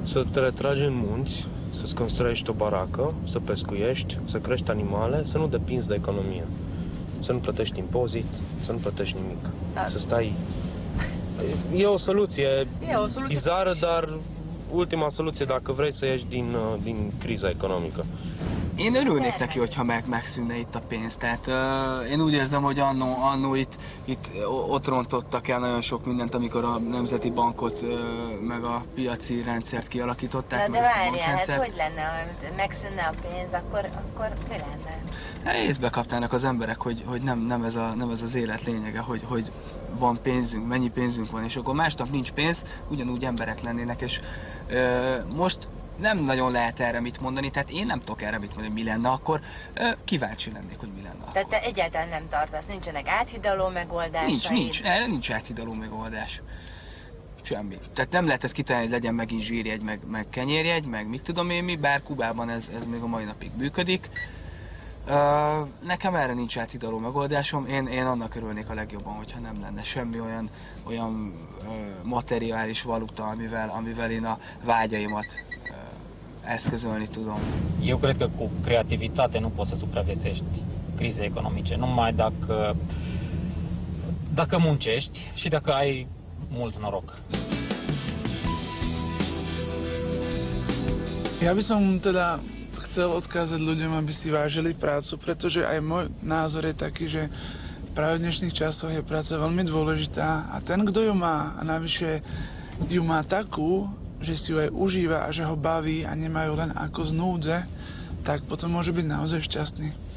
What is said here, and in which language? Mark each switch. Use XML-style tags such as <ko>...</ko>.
<ro>Să te retragi în munți, să-ți construiești o baracă, să pescuiești, să crești animale, să nu depinzi de economie. Să nu plătești impozit, să nu plătești nimic. Da. Să stai... E o soluție bizară, dar ultima soluție dacă vrei să ieși din criza economică.</ro> <hu>Én örülnék neki, hogyha megszűnne itt a pénz. Tehát én úgy érzem, hogy annó itt ott rontottak el nagyon sok mindent, amikor a Nemzeti Bankot meg a piaci rendszert kialakították. De várjál, hát hogy lenne, ha megszűnne a pénz, akkor mi lenne? Észbe kapnának az emberek, hogy nem ez az élet lényege, hogy van pénzünk, mennyi pénzünk van, és akkor másnap nincs pénz, ugyanúgy emberek lennének, és most nem nagyon lehet erre mit mondani, tehát én nem tudok erre mit mondani, hogy mi lenne akkor. Kíváncsi lennék, hogy mi lenne akkor. Tehát te egyáltalán nem tartasz, nincsenek áthidaló megoldásai? Nincs áthidaló megoldás. Semmi. Tehát nem lehet ezt kitalálni, hogy legyen megint zsírjegy, meg kenyérjegy, meg mit tudom én mi, bár Kubában ez még a mai napig működik. Nekem erre nincs áthidaló megoldásom, én annak örülnék a legjobban, hogyha nem lenne semmi olyan materiális valuta, amivel én a vágyaimat eszközölni tudom.</hu> <ro>Eu cred că cu creativitate nu poți să supraviețești crize economice, numai dacă muncești și dacă ai mult noroc.</ro> <sk>Ja by som teda chcel odkázať ľuďom, aby si vážili prácu, pretože aj môj názor je taký, že práve v dnešných časoch je práca veľmi dôležitá a ten, kto ju má a navyše ju má takú, že si ju aj užíva a že ho baví a nemá ju len ako znúdze, tak potom môže byť naozaj šťastný.</sk>